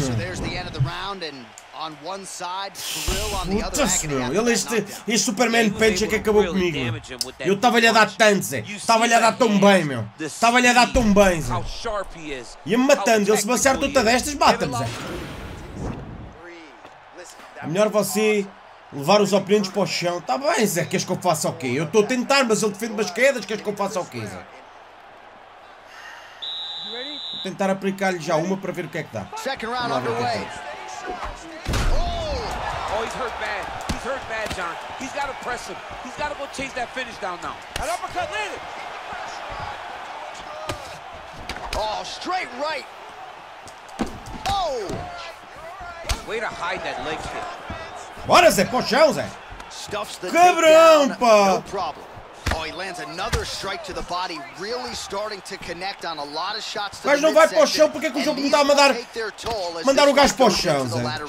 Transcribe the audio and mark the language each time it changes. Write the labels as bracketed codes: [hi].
[en] so there's the end of the round and on one side, thrill on the other side. [pt] Ele este Superman Punch que acabou comigo. Eu estava-lhe a dar tanto, Zé. Estava-lhe a dar tão bem, meu. Estava-lhe a dar tão bem, Zé. Ia-me matando. Ele se me acerta outra destas, bate-me, Zé. É melhor você levar os oponentes para o chão. Está bem, Zé, queres que eu faça o quê? Eu estou a tentar, mas ele defende umas quedas. Queres que eu faça o quê, Zé? Vou tentar aplicar-lhe já uma para ver o que é que dá. [en] Second round underway. Oh, he's hurt bad. He's hurt bad, John. He's got to press him. He's got to go chase that finish down now. An uppercut landed. Oh, straight right. Oh! Way to hide that leg kick. [pt] Bora, Zé, para o chão, Zé. Cabrão, pá! [en] Oh, he lands another strike to the body, really starting to connect on a lot of shots. [pt] Mas não vai para o chão, porque é que o jogo me dá a mandar mandar o gajo para o chão, Zé.